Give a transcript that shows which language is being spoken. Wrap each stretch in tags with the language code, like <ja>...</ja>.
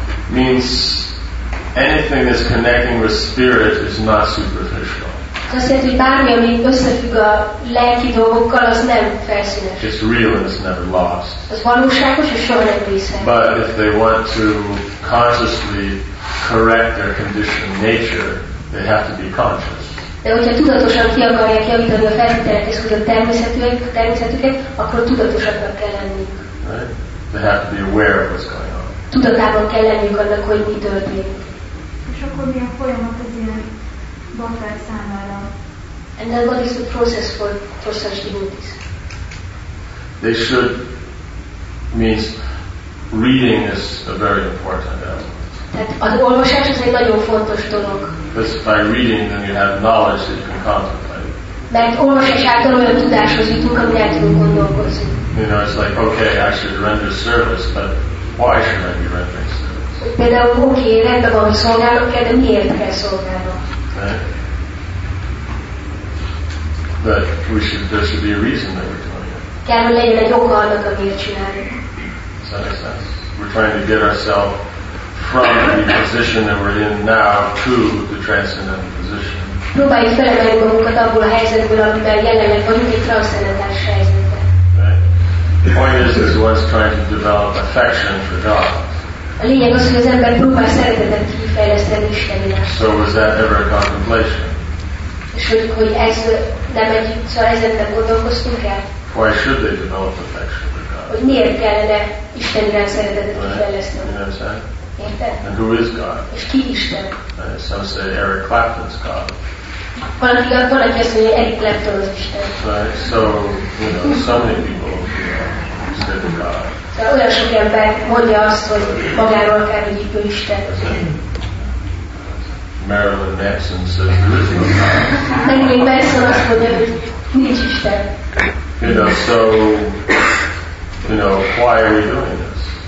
<en>Means anything that's connecting with spirit is not superficial.</en> <hu>Azt jelenti, hogy bármi, ami összefügg a lelki dolgokkal, az nem felszínes.</hu> <en>It's real and it's never lost.</en> <hu>Az valóságos és soha nem vészel.</hu> <en>But if they want to consciously correct their conditioned nature, they have to be conscious.</en> <hu>De hogyha tudatosan ki akarják javítani a feltételt és a természetüket, akkor tudatosabbnak kell lenni.</hu> <en>Right? They have to be aware of what's going on.</en> <hu>Tudatában kell lenniük annak, hogy mi történik. És akkor mi a folyamat az ilyen bakrák számára?</hu> <en>And then what is the process for such devotees? They should, means reading is a very important element.</en> <hu>Tehát az olvasás az egy nagyon fontos dolog.</hu> <en>Because by reading then you have knowledge that you can contemplate.</en> <hu>Mert olvasás által olyan tudáshoz jutunk, amit el tudunk gondolkozni.</hu> <en>You know, it's like, okay, I should render service, but why should I be rendering service?</en> <hu>Például, oké, rendben van, hogy szolgálok kell, de miért kell szolgálnom?</hu> <en>But we should, there should be a reason that we're doing it.</en> <hu>Kell, hogy legyen egy oka annak, amiért csináljuk.</hu> <en>Does that make sense? We're trying to get ourselves from the position that we're in now to the transcendental position.</en> <hu>Próbáljuk felemelni magunkat abból a helyzetből, amiben jelenleg vagyunk, egy transzcendentális helyzetben.</hu> <en>The point is one's trying to develop affection for God.</en> <hu>A lényeg az, hogy az ember próbál szeretetet kifejleszteni Isten iránt.</hu> <en>So was that ever a contemplation?</en> <hu>És hogy ez nem egy, szóval ezen nem gondolkoztunk el?</hu> <en>Why should they develop affection for God?</en> <hu>Hogy miért kellene Isten iránt szeretetet kifejleszteni?</hu> <en>You know what I'm saying?</en> <hu>Érted?</hu> <en>And who is God?</en> <hu>És ki Isten?</hu> <en>Some say Eric Clapton's God.</en> <hu>Valaki azt mondja, hogy Eric Clapton az Isten.</hu> <en>Right? So, you know, so many people, you know, say the God.</en> <hu>De olyan sok ember mondja azt, hogy magáról akár, hogy ő Isten.</hu> <en>Marilyn Manson says there is no God.</en> <hu>Marilyn Manson azt mondja, hogy nincs Isten.</hu> <en>You know, so, you know, why are we doing this?</en>